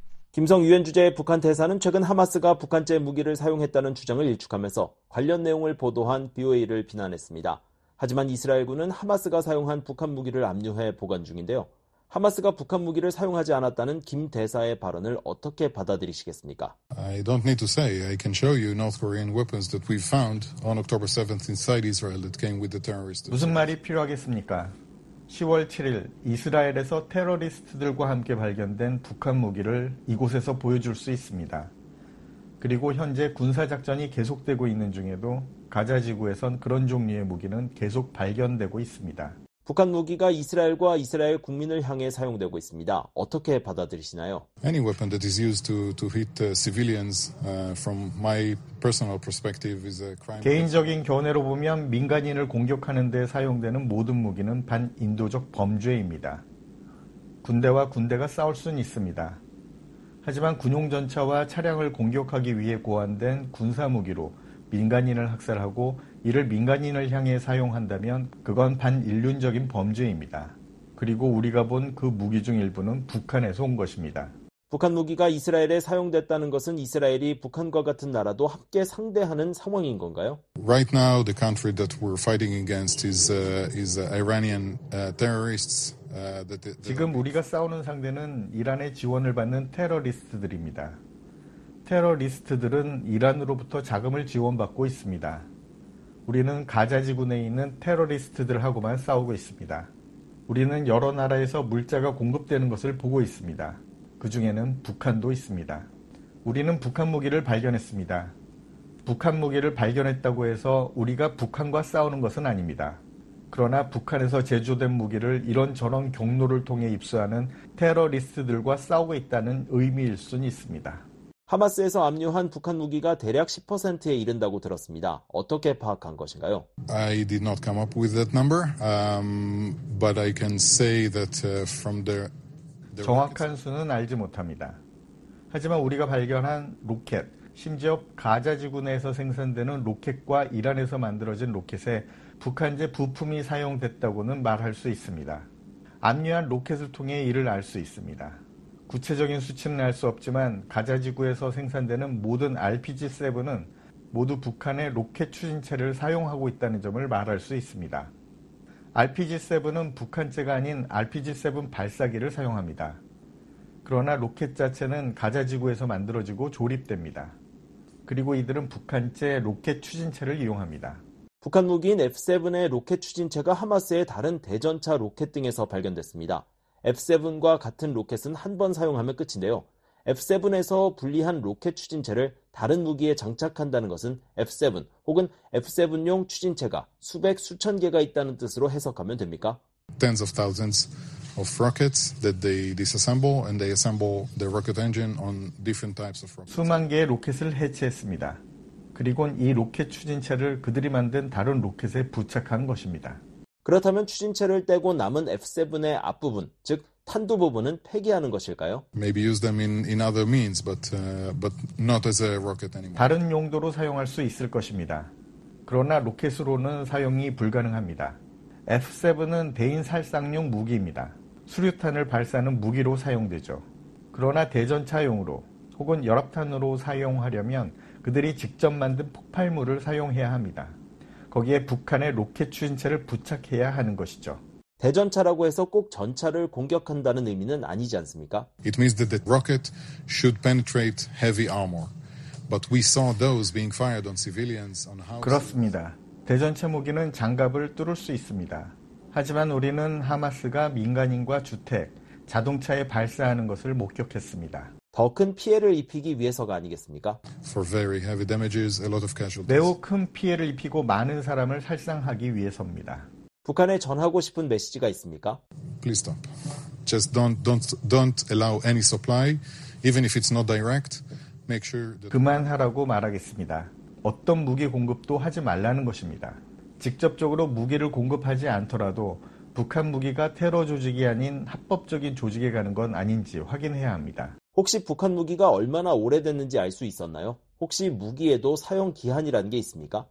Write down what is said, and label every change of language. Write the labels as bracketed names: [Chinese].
[Korean] 김성 유엔 주재의 북한 대사는 최근 하마스가 북한제 무기를 사용했다는 주장을 일축하면서 관련 내용을 보도한 BOA를 비난했습니다. 하지만 이스라엘군은 하마스가 사용한 북한 무기를 압류해 보관 중인데요. 하마스가 북한 무기를 사용하지 않았다는 김 대사의 발언을 어떻게 받아들이시겠습니까? [English] I don't need to say. I can show you North Korean weapons that we found on October 7th inside Israel that came with the terrorists. [Korean] 무슨 말이 필요하겠습니까? 10월 7일 이스라엘에서 테러리스트들과 함께 발견된 북한 무기를 이곳에서 보여줄 수 있습니다. 그리고 현재 군사작전이 계속되고 있는 중에도 가자지구에선 그런 종류의 무기는 계속 발견되고 있습니다. 북한 무기가 이스라엘과 이스라엘 국민을 향해 사용되고 있습니다. 어떻게 받아들이시나요? [English] Any weapon that is used to hit civilians from my personal perspective is a crime. [Korean] 개인적인 견해로 보면 민간인을 공격하는 데 사용되는 모든 무기는 반인도적 범죄입니다. 군대와 군대가 싸울 수는 있습니다. 하지만 군용 전차와 차량을 공격하기 위해 고안된 군사 무기로 민간인을 학살하고 이를 민간인을 향해 사용한다면 그건 반인륜적인 범죄입니다. 그리고 우리가 본 그 무기 중 일부는 북한에서 온 것입니다. 북한 무기가 이스라엘에 사용됐다는 것은 이스라엘이 북한과 같은 나라도 함께 상대하는 상황인 건가요? [English] Right now the country that we're fighting against is Iranian terrorists. [Korean] 지금 우리가 싸우는 상대는 이란의 지원을 받는 테러리스트들입니다. 테러리스트들은 이란으로부터 자금을 지원받고 있습니다. 우리는 가자지구 내에 있는 테러리스트들하고만 싸우고 있습니다. 우리는 여러 나라에서 물자가 공급되는 것을 보고 있습니다. 그 중에는 북한도 있습니다. 우리는 북한 무기를 발견했습니다. 북한 무기를 발견했다고 해서 우리가 북한과 싸우는 것은 아닙니다. 그러나 북한에서 제조된 무기를 이런저런 경로를 통해 입수하는 테러리스트들과 싸우고 있다는 의미일 수는 있습니다. 하마스에서 압류한 북한 무기가 대략 10%에 이른다고 들었습니다. 어떻게 파악한 것인가요? [English] I did not come up with that number, but I can say that from the [Korean] 정확한 수는 알지 못합니다. 하지만 우리가 발견한 로켓, 심지어 가자지구 내에서 생산되는 로켓과 이란에서 만들어진 로켓에 북한제 부품이 사용됐다고는 말할 수 있습니다. 압류한 로켓을 통해 이를 알 수 있습니다. 구체적인 수치는 알 수 없지만 가자지구에서 생산되는 모든 RPG-7은 모두 북한의 로켓 추진체를 사용하고 있다는 점을 말할 수 있습니다. RPG-7은 북한제가 아닌 RPG-7 발사기를 사용합니다. 그러나 로켓 자체는 가자지구에서 만들어지고 조립됩니다. 그리고 이들은 북한제 로켓 추진체를 이용합니다. 북한 무기인 F-7의 로켓 추진체가 하마스의 다른 대전차 로켓 등에서 발견됐습니다. F-7과 같은 로켓은 한 번 사용하면 끝인데요. F-7에서 분리한 로켓 추진체를 다른 무기에 장착한다는 것은 F-7 혹은 F-7용 추진체가 수백 수천 개가 있다는 뜻으로 해석하면 됩니까? [English] Tens of thousands of rockets that they disassemble and they assemble the rocket engine on different types of rockets. [Korean] 수만 개의 로켓을 해체했습니다. 그리고는 이 로켓 추진체를 그들이 만든 다른 로켓에 부착한 것입니다. 그렇다면 추진체를 떼고 남은 F-7의 앞부분, 즉 탄두 부분은 폐기하는 것일까요? [English] Maybe use them in other means, but not as a rocket anymore. [Korean] 다른 용도로 사용할 수 있을 것입니다. 그러나 로켓으로는 사용이 불가능합니다. F-7은 대인살상용 무기입니다. 수류탄을 발사하는 무기로 사용되죠. 그러나 대전차용으로 혹은 열합탄으로 사용하려면 그들이 직접 만든 폭발물을 사용해야 합니다. 거기에 북한의 로켓 추진체를 부착해야 하는 것이죠. 대전차라고 해서 꼭 전차를 공격한다는 의미는 아니지 않습니까? [English] It means that the rocket should penetrate heavy armor. But we saw those being fired on civilians on houses. [Korean] 그렇습니다. 대전차 무기는 장갑을 뚫을 수 있습니다. 하지만 우리는 하마스가 민간인과 주택, 자동차에 발사하는 것을 목격했습니다. 더 큰 피해를 입히기 위해서가 아니겠습니까? [English] For very heavy damages, a lot of casualties. [Korean] 매우 큰 피해를 입히고 많은 사람을 살상하기 위해서입니다. 북한에 전하고 싶은 메시지가 있습니까? [English] Please stop. Just don't allow any supply, even if it's not direct. Make sure that [Korean] 그만하라고 말하겠습니다. 어떤 무기 공급도 하지 말라는 것입니다. 직접적으로 무기를 공급하지 않더라도 북한 무기가 테러 조직이 아닌 합법적인 조직에 가는 건 아닌지 확인해야 합니다. 혹시 북한 무기가 얼마나 오래됐는지 알 수 있었나요? 혹시 무기에도 사용 기한이라는 게 있습니까?